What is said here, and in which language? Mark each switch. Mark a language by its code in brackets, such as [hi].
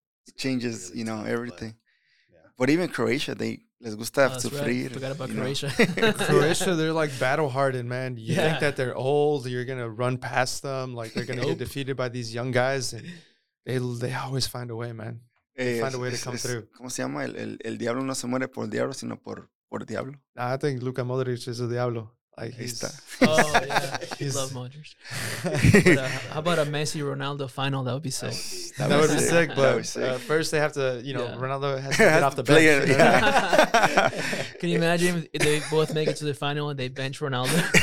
[en] it changes. Gonna be really you know tough, everything. But even Croatia, they [es] les gusta sufrir. [en] Right. Forgot about Croatia. Croatia, they're like battle hardened, man. You think that they're old? You're going to run past them? Like they're going to get defeated by these young guys? And they always find a way, man. Find a way to come through. [es] ¿Cómo se llama? El diablo no se muere por el diablo, sino por diablo. [en] Nah, I think Luka Modric is a diablo. Like, he's oh, yeah. Love Modric. how about a Messi-Ronaldo final? That would be sick. That would be sick. But be sick. First they have to, Ronaldo has to get off the bench. Yeah. Can you imagine if they both make it to the final and they bench Ronaldo?